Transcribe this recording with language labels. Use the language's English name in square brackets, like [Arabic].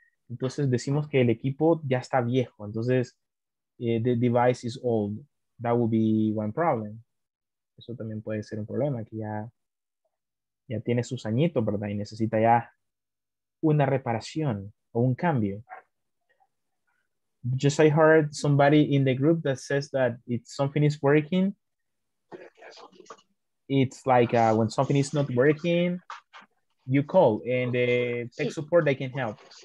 [Spanish] Entonces decimos que el equipo ya está viejo. [English] Entonces, the device is old, that would be one problem. [Spanish] Eso también puede ser un problema, que ya tiene sus añitos, ¿verdad? Y necesita ya una reparación o un cambio. [English] Just I heard somebody in the group that says that if something is working, it's like when something is not working, you call and the tech support, they can help.